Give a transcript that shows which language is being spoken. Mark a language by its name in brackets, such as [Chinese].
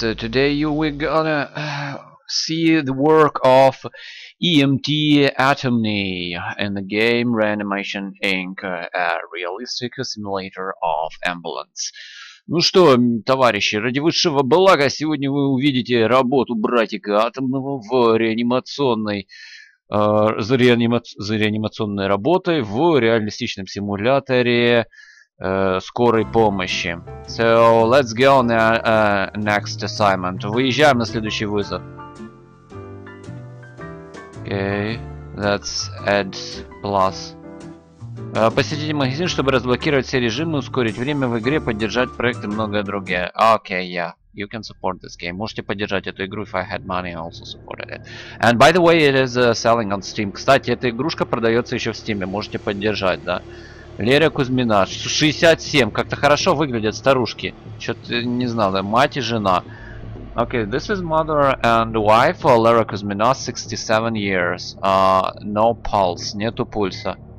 [English] Today we're gonna see the work of EMT Atomny in the game Reanimation Inc., a realistic simulator of ambulance. [Russian] Ну что, товарищи, ради высшего блага, сегодня вы увидите работу братика Атомного в реанимационной... за реанимационной работой в реалистичном симуляторе... скорой помощи. [English] So, let's go on our next assignment. [Russian] Выезжаем на следующий вызов. [English] Okay, that's adds plus. [Russian] Посетите магазин, чтобы разблокировать все режимы, ускорить время в игре, поддержать проект и многое другое. [English] Okay, yeah. You can support this game. [Russian] Можете поддержать эту игру, [English] if I had money, I also supported it. And by the way, it is selling on Steam. [Russian] Кстати, эта игрушка продается еще в Steam, можете поддержать, да? Лерия Кузьмина, 67, как-то хорошо выглядят старушки. Чё-то не знал, мать и жена. [English] Okay, this is mother and wife, Лерия Кузьмина, 67 years. No pulse, [Russian] нету пульса.